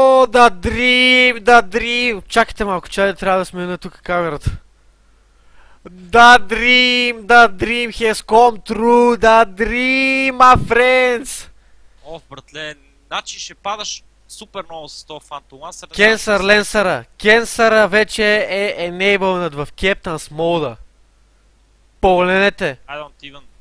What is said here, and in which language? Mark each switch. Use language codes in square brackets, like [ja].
[en] Да Дрим! [bg] Чакайте малко, чай, трябва да сме на тук камерата. [en] Да Дрим has come true! Да Дрим, my friends! [bg] Оф, братле, значи ще падаш супер много с тоя Phantom Lancer. Кенсър, Ленсъра! Кенсъра вече е enabled в Captain's Mode. Погледнете! [en] I don't even...